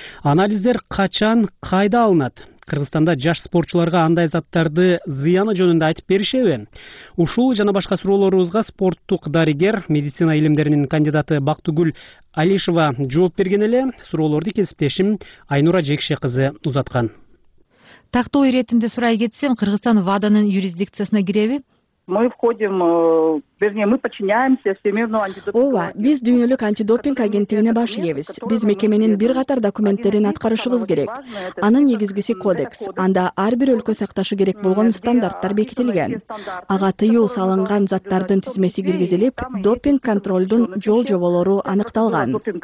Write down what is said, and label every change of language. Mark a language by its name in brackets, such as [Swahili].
[Kyrgyz] Анализдер качан, кайда алынат? Кыргызстанда жаш спортчуларга андай заттарды зыяны жөнүндө айтып беришеби? Ушул жана башка суроолорубузга спорттук дарыгер, медицина илимдеринин кандидаты Бактыгүл Алишева жооп берген эле. Суроолорду кесиптешим Айнура Жекше кызы узаткан. Тактоо иретинде сурай кетсем, Кыргызстан ВАДАнын юрисдикциясына киреби? [Russian] Мы входим, вернее, мы подчиняемся Всемирному антидопингу. [Kyrgyz] Ооба, биз дүйнөлүк антидопинг агенттигине баш ийебиз. Биз мекеменин бир катар документтерин аткарышыбыз керек. Анын негизгиси кодекс. Анда ар бир өлкө сакташы керек болгон стандарттар бекитилген. Ага тыюу салынган заттардын тизмеси киргизилип, допинг контролдун жол жоболору аныкталган.